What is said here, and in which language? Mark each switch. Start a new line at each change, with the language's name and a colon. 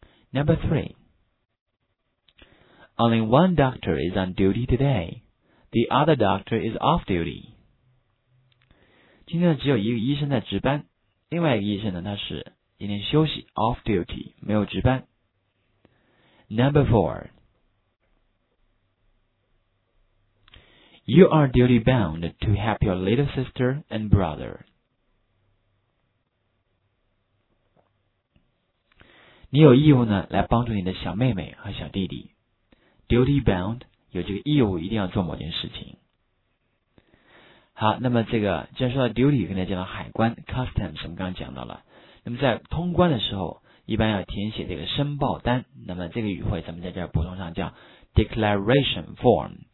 English: Number three, only one doctor is on duty today. The other doctor is off duty.
Chinese: 今天只有一个医生在值班，另外一个医生呢他是今天休息
English: off duty，
Chinese: 没有值班。
English: Number four,You are duty bound to help your little sister and brother.
Chinese: 你有义务呢来帮助你的小妹妹和小弟弟。
English: Duty bound,
Chinese: 有这个义务一定要做某件事情。好，那么这个既然说到 duty, 跟大家讲到海关 ,customs, 我们刚刚讲到了。那么在通关的时候一般要填写这个申报单，那么这个语汇咱们在这儿补充上叫
English: declaration form。